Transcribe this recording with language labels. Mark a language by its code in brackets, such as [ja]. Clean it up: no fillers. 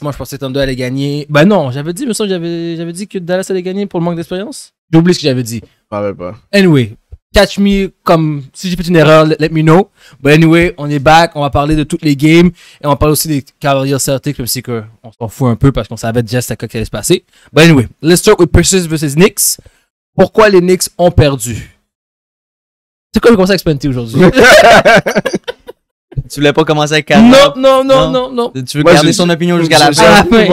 [fr] Moi, je pensais que Thunder allait gagner. Ben non, j'avais dit, j'avais dit que Dallas allait gagner pour le manque d'expérience. J'ai oublié ce que j'avais dit. Je parlais pas. [en] Anyway, catch me [fr] comme si j'ai fait une erreur, [en] let me know. But anyway, [fr] on est back. On va parler de toutes les games. Et on parle aussi des Cavaliers Celtics, même si on s'en fout un peu parce qu'on savait déjà ce qui allait se passer. [en] But anyway, let's start with Pacers versus Knicks. [fr] Pourquoi les Knicks ont perdu? C'est quoi le conseil expliqué aujourd'hui? Tu voulais pas commencer avec Kaza? Non. Tu veux garder son opinion jusqu'à la fin?